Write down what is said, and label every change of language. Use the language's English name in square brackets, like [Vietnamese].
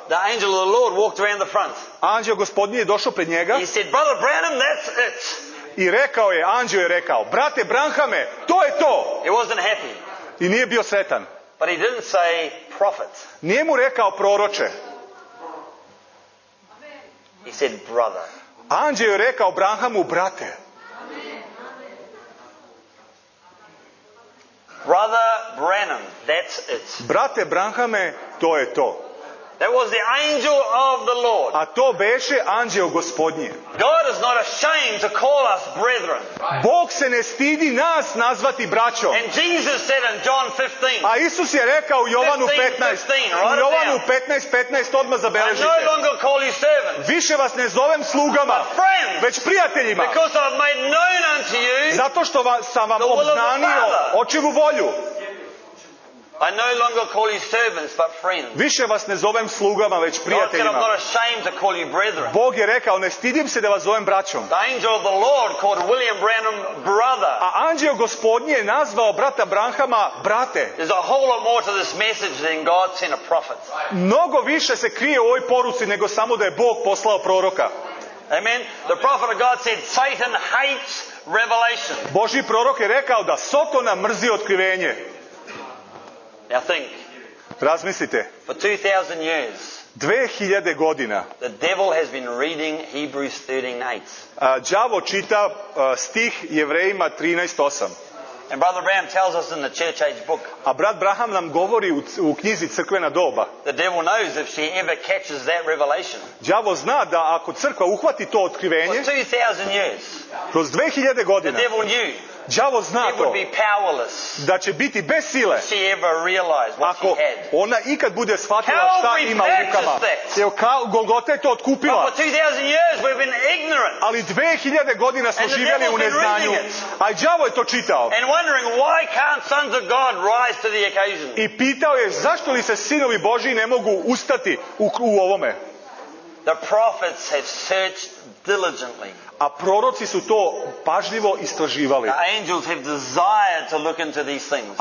[English] The angel of the Lord walked around the front. [Serbian] Anđeo gospodnji je došao pred njega. [English] He said, Brother Branham, that's it. [Serbian] I rekao je, anđeo je rekao, brate Brahame, to je to. [English] He wasn't happy. [Serbian] I nije bio sretan. [English] But he didn't say prophet. [Serbian] Nije mu rekao proroče. [English] He said brother. [Serbian] Anđeo je rekao Branhamu brate. [English] Brother Branham, that's it. [Serbian] Brate Branhame, to je to. [English] That was the angel of the Lord. [Serbian] A to beše anđeo gospodnji. [English] God is not ashamed to call us brethren. [Serbian] Bog se ne stidi nas nazvati braćo. [English] And Jesus said in John 15. [Serbian] A Isus je rekao u Jovanu 15. U Jovanu 15:15 odmah zabeležite. [English] I no longer call you servants. [Serbian] Više vas ne zovem slugama. [English] But friends, [Serbian] već prijateljima. [English] Because I've made known unto you. [Serbian] Zato što sam vam obznanio očevu volju. [English] I no longer call you servants, but friends. [Serbian] Više vas ne zovem slugama, već prijateljima. [English] God said, I'm not ashamed to call you brethren. [Serbian] Bog je rekao, ne stidim se da vas zovem braćom. [English] The angel of the Lord called William Branham brother. [Serbian] A anđeo gospodnji je nazvao brata Branhama brate. [English] There's a whole lot more to this message than God sent a prophet. [Serbian] Mnogo više se krije u ovoj poruci nego samo da je Bog poslao proroka. [English] Amen. The prophet of God said, Satan hates revelation. [Serbian] Boži prorok je rekao da Satana mrzi otkrivenje. [English] Now think. [Serbian] Razmislite. [English] For 2000 years. [Serbian] 2000 godina. [English] The devil has been reading Hebrews 13:8. [Serbian] Đavo čita stih Jevrejima 13:8. [English] And Brother Bram tells us in the Church Age book. [Serbian] A brat Braham nam govori u knjizi Crkvena doba. [English] The devil knows if she ever catches that revelation. [Serbian] Đavo zna da ako crkva uhvati to otkrivenje. [English] For 2000 years. [Serbian] Kroz 2000 godina. [English] The devil knew. [Serbian] Đavo zna to. [English] Would be powerless. [Serbian] Da će biti bez sile. [English] She ever realized what [Serbian] ako [English] she had. [Serbian] Ona ikad bude shvatila šta ima u rukama. Jer Golgota je to otkupila. [English] But for 2000 years we've been ignorant. [Serbian] Ali 2000 godina smo živjeli u neznanju. A đavo je to čitao. [English] And wondering why can't sons of God rise to the occasion. [Serbian] I pitao je zašto li se sinovi Božji ne mogu ustati u ovome. [English] The prophets have searched diligently. [Serbian] A proroci su to pažljivo istraživali. [English] The angels have desired to look into these things.